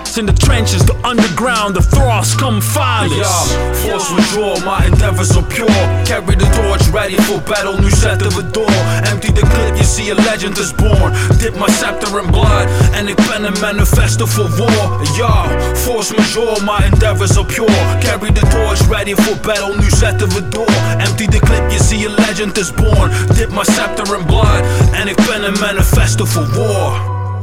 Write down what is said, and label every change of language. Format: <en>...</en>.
<en>It's in the trenches, the underground, the thralls come find us. Force withdraw, my endeavors are pure. Carry the torch, ready for battle,</en> <nl>nu zetten we door.</nl> <en>Empty the clip, you see a legend is born. Dip my scepter in blood, and</en> <nl>ik ben een</nl> <en>manifesto for war. Yo, force majeure, my endeavors are pure. Carry the torch, ready for battle,</en> <nl>nu zetten we door.</nl> <en>Empty the clip, you see a legend is born. Dip my scepter in blood, and</en> <nl>ik ben een</nl> <en>manifesto for war.</en>